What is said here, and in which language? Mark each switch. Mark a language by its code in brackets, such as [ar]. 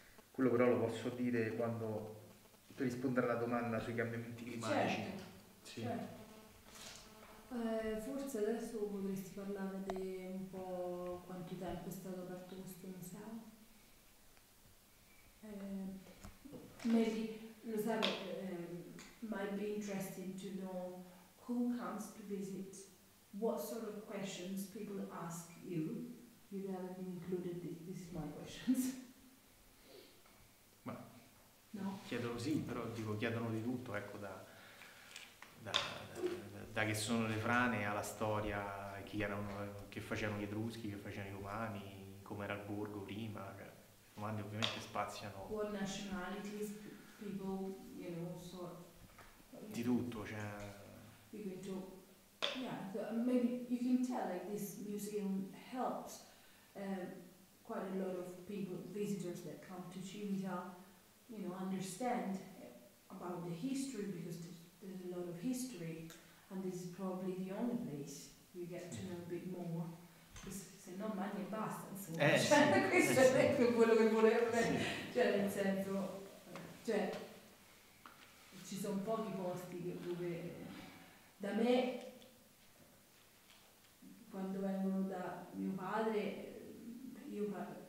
[it] quello però lo posso dire quando... per rispondere alla domanda sui cambiamenti climatici. Certo, sì. Certo. Forse adesso potresti parlare di un po' quanto tempo è stato aperto questo museo. [en] Maybe, [it] lo sai, [en] might be interesting to know who comes to visit, what sort of questions people ask you. You haven't included this, this is my questions. [it] No. Chiedono sì, però dico, chiedono di tutto, ecco, da, da, da che sono le frane alla storia, chi erano, che facevano gli Etruschi, che facevano i Romani, come era il borgo prima, cioè, le domande ovviamente spaziano. [en] What nationalities, people, you know, sort. [it] Di tutto, cioè. [en] To, yeah, so maybe you can tell like this museum helps quite a lot of people, visitors that come to Civita. You know, understand about the history because there's a lot of history, and this is probably the only place you get to know a bit more. [it] Se no mangi e basta, insomma. Cioè, questo sì. È quello che vorrebbe. Sì. Cioè, nel senso, cioè, ci sono pochi posti dove. Da me, quando vengono da mio padre, io parlo.